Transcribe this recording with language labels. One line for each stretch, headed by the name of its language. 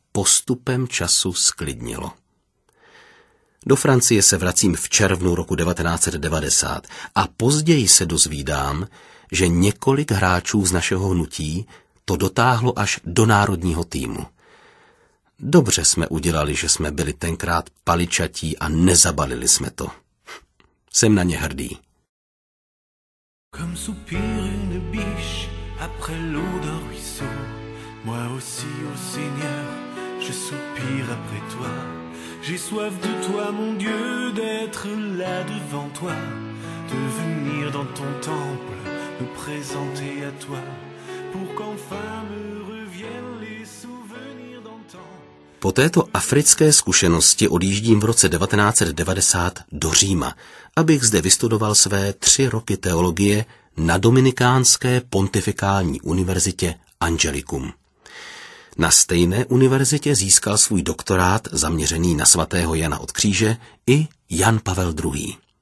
Czech: postupem času sklidnilo. Do Francie se vracím v červnu roku 1990 a později se dozvídám, že několik hráčů z našeho hnutí to dotáhlo až do národního týmu. Dobře jsme udělali, že jsme byli tenkrát paličatí a nezabalili jsme to. Jsem na ně hrdý.
French: Comme soupire une biche après l'eau d'un ruisseau, moi aussi, ô Seigneur, je soupire après toi. J'ai soif de toi, mon Dieu, d'être là devant toi, de venir dans ton temple, me présenter à toi, pour qu'enfin me reviennent les souvenirs d'antan.
Czech: Po této africké zkušenosti odjíždím v roce 1990 do Říma, abych zde vystudoval své 3 roky teologie na Dominikánské pontifikální univerzitě Angelicum. Na stejné univerzitě získal svůj doktorát zaměřený na svatého Jana od Kříže i Jan Pavel II.